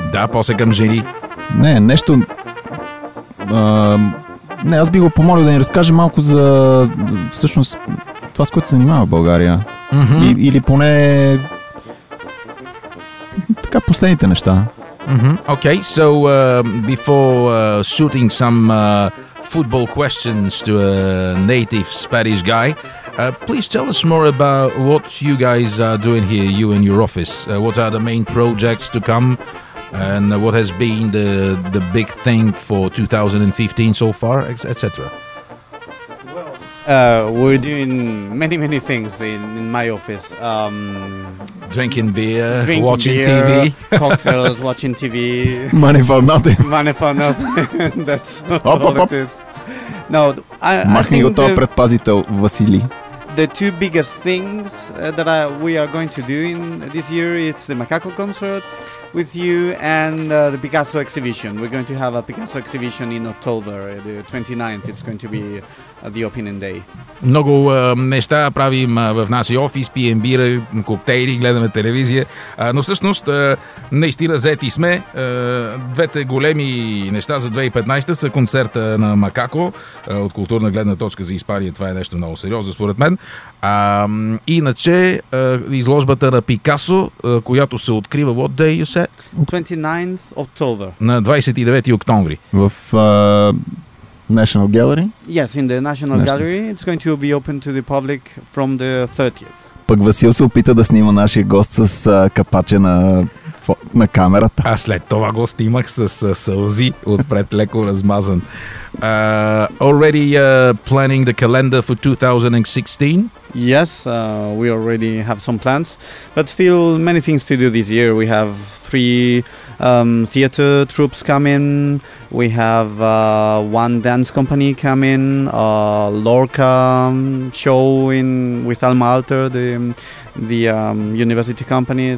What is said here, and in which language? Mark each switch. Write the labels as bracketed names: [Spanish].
[Bulgarian] Да, после към жени. Не, нещо... Не, аз би го помолил да ни разкаже малко за всъщност това, с което се занимава България. Mm-hmm. Или поне така последните неща. Mm-hmm. [English] Okay, so before shooting some football questions to a native Spanish guy, please tell us more about what you guys are doing here, you and your office. What are the main projects to come? And what has been the big thing for 2015 so far, etc.? Well, we're doing many, many things in my office. Drinking beer, drinking watching beer, TV. Cocktails, watching TV. Money for nothing. Money for nothing. That's not all it is. No, [Bulgarian] махни го това предпазител, Василий. [English] The two biggest things that we are going to do in this year is the Macaco concert with you and the Picasso exhibition. We're going to have a Picasso exhibition in October, the 29th. It's going to be the opening day. [Bulgarian] Много неща правим в нашия офис, пием бира, коктейли, гледаме телевизия, но всъщност наистина заети сме. Двете големи неща за 2015 са концерта на Макако. От културна гледна точка за Испания това е нещо много сериозно според мен. Иначе изложбата на Пикасо, която се открива, [English] what day you said? 29th October. [Bulgarian] На 29 октомври. В National Gallery? [English] Yes, in the National Gallery. It's going to be open to the public from the 30th. [Bulgarian] Пък Васил се опита да снима нашия гост с капаче на камерата. А след това го снимах с сълзи отпред, леко размазан. [English] Already planning the calendar for 2016? Yes, we already have some plans. But still many things to do this year. We have three theater troops coming. We have one dance company coming. Lorca show with Alma Alter, the university company.